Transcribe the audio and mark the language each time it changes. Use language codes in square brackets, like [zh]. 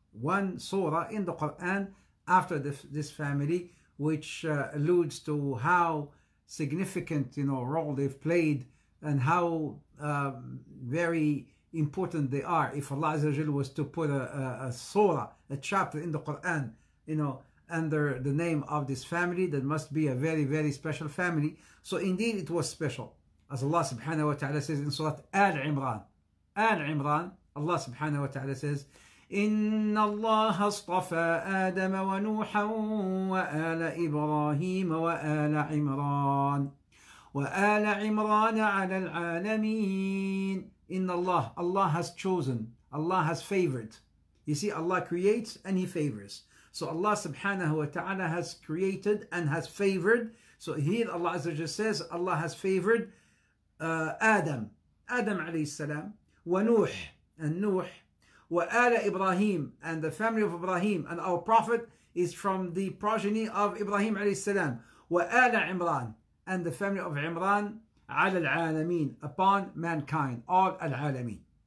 [en] One surah in the Quran after this family, which alludes to how significant, role they've played, and how very important they are. If Allah Azza wa Jalla was to put a surah, a chapter in the Quran, under the name of this family, that must be a very, very special family. So indeed it was special. As Allah subhanahu wa ta'ala says in Surah Al-Imran. Al-Imran, Allah subhanahu wa ta'ala says, [ar] إِنَّ اللَّهَ اصْطَفَى آدَمَ وَنُوحًا وَآلَ إِبْرَاهِيمَ وَآلَ عِمْرَانَ وَآلَ عِمْرَانَ عَلَى الْعَالَمِينَ. إِنَّ اللَّهَ, [en] Allah has chosen, Allah has favored. You see, Allah creates and He favors. So Allah subhanahu wa ta'ala has created and has favored. So here Allah Azza wa Jalla says, Allah has favored Adam alayhi salam, Nuh, [ar] wa ala Ibrahim, [en] and the family of Ibrahim, and our prophet is from the progeny of Ibrahim alayhi salam, [ar] wa ala Imran, [en] and the family of Imran, [ar] ala al-alamin, [en] upon mankind, all al-alamin.